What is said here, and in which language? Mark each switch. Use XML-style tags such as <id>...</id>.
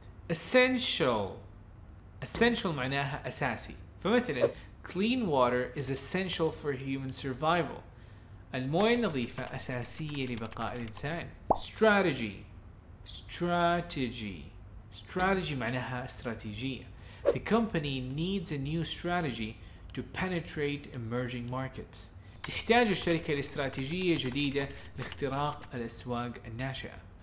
<ar>Essential معناها أساسي. فمثلا</ar> <en>Clean water is essential for human survival.</en> <ar>المويه النظيفة أساسية لبقاء الإنسان. Strategy معناها استراتيجية.</ar> <en>The company needs a new strategy to penetrate emerging markets.</en> <ar>تحتاج الشركة لاستراتيجية جديدة لاختراق الأسواق الناشئة.</ar>